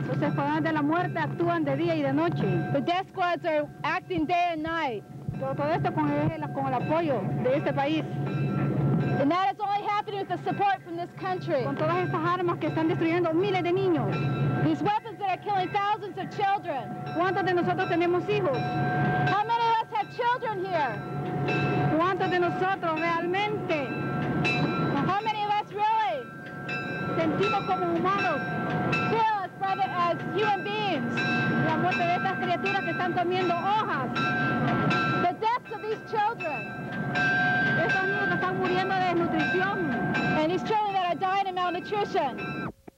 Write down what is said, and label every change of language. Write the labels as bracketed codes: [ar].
[es] Los escuadrones de la muerte actúan de día y de noche. [en] The death squads are acting day and night. [es] Todo esto con el apoyo de este país. [en] And that is only happening with the support from this country. [es] Con todas estas armas que están destruyendo miles de niños. [en] These weapons that are killing thousands of children. [es] ¿Cuántos de nosotros tenemos hijos? [en] How many of us have children here? [es] ¿Cuántos de nosotros realmente? [en] How many of us really? [es] Sentimos como humanos. [en] Feel us, brother, as human beings. [es] La muerte de estas criaturas que están comiendo hojas. [en] The deaths of these children. And these children that are dying of malnutrition.